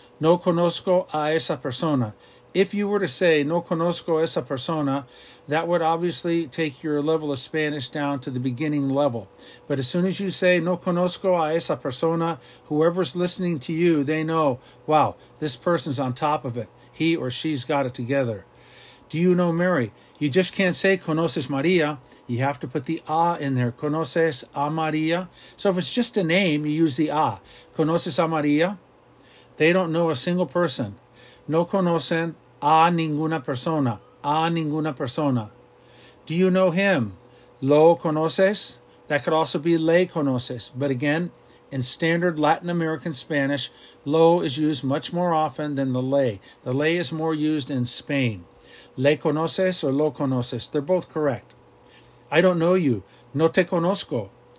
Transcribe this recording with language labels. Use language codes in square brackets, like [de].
[es] No conozco a esa persona. [en] If you were to say [es] no conozco esa persona, [en] that would obviously take your level of Spanish down to the beginning level. But as soon as you say [es] no conozco a esa persona, [en] whoever's listening to you, they know, wow, this person's on top of it. He or she's got it together. Do you know Mary? You just can't say [es] conoces María. [en] You have to put the a in there. [es] Conoces a María. [en] So if it's just a name, you use the a. [es] Conoces a María. [en] They don't know a single person. [es] No conocen a ninguna persona. A ninguna persona. [en] Do you know him? [es] Lo conoces? [en] That could also be [es] le conoces. [en] But again, in standard Latin American Spanish, lo is used much more often than the le. The le is more used in Spain. [es] Le conoces [en] or [es] lo conoces? [en] They're both correct. I don't know you. [es] No te conozco.